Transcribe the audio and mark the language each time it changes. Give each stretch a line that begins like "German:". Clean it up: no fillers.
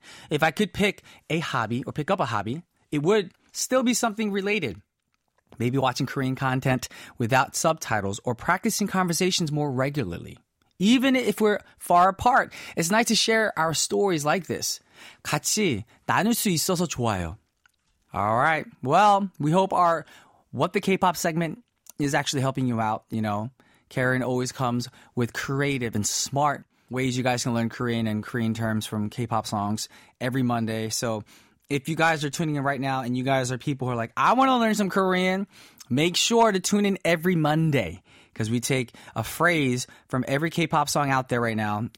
English: If I could pick a hobby or pick up a hobby, it would still be something related. Maybe watching Korean content without subtitles or practicing conversations more regularly. Even if we're far apart, it's nice to share our stories like this.
Korean: 같이 나눌 수 있어서 좋아요.
English: All right. Well, we hope our What the K-Pop segment is actually helping you out, you know. Karen always comes with creative and smart ways you guys can learn Korean and Korean terms from K-Pop songs every Monday. So if you guys are tuning in right now and you guys are people who are like, I want to learn some Korean, make sure to tune in every Monday because we take a phrase from every K-Pop song out there right now.